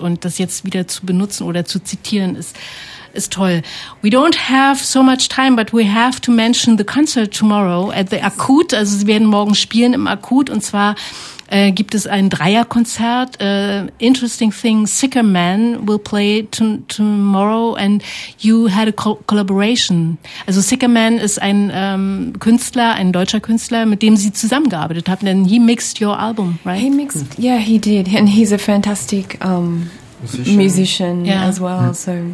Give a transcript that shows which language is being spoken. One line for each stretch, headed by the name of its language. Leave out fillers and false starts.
German: Und das jetzt wieder zu benutzen oder zu zitieren, ist toll.
English: We don't have so much time, but we have to mention the concert tomorrow at the Akut.
German: Also sie werden morgen spielen im Akut, und zwar gibt es ein Dreierkonzert.
English: Interesting thing, Sicker Man will play tomorrow and you had a collaboration.
German: Also Sicker Man ist ein Künstler, ein deutscher Künstler, mit dem sie zusammengearbeitet haben, denn
English: he mixed your album, right? He mixed, yeah, he did. And he's a fantastic musician as well, so...